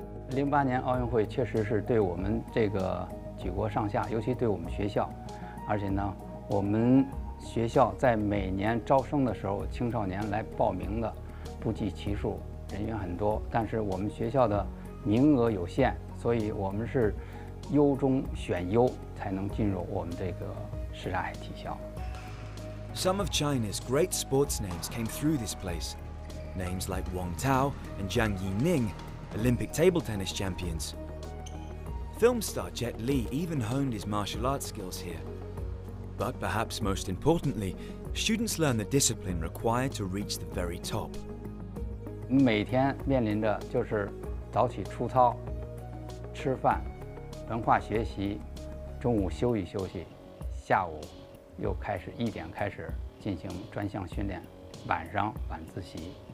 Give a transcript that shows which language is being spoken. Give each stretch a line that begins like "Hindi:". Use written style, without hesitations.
Chinese: 08年奥运会确实是对我们这个举国上下，尤其对我们学校，而且呢，我们学校在每年招生的时候，青少年来报名的不计其数，人员很多，但是我们学校的名额有限，所以我们是。优中选优才能进入我们这个什刹海体校。
English: Some of China's great sports names came through this place. Names like Wang Tao and Jiang Yining, Olympic table tennis champions. Film star Jet Li even honed his martial arts skills here. But perhaps most importantly, students learn the discipline required to reach the very top.
Chinese: 每天面临着就是早起出操、吃饭。文化学习，中午休息休息，下午又开始一点开始进行专项训练，晚上晚自习。